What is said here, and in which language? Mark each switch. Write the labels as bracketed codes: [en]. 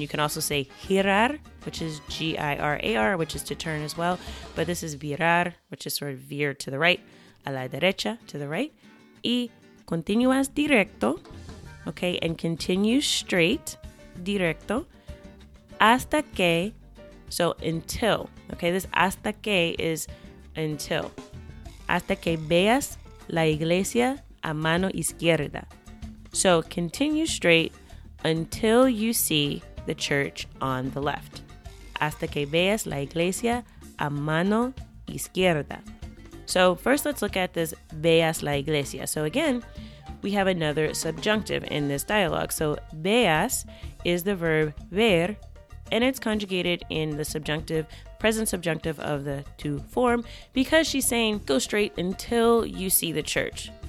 [en] You can also say girar, which is G-I-R-A-R, which is to turn as well, but this is virar, which is sort of veer to the right, [es] a la derecha, [en] to the right, [es] y continúas directo, [en] okay, and continue straight, directo, [es] hasta que, [en] so until, okay, this [es] hasta que is until, hasta que veas la iglesia a mano izquierda. [en] So continue straight until you see the church on the left. [es] Hasta que veas la iglesia a mano izquierda. [en] So first let's look at this [es] veas la iglesia. [en] So again, we have another subjunctive in this dialogue. So veas is the verb ver, and it's conjugated in the subjunctive, present subjunctive of the to form, because she's saying go straight until you see the church.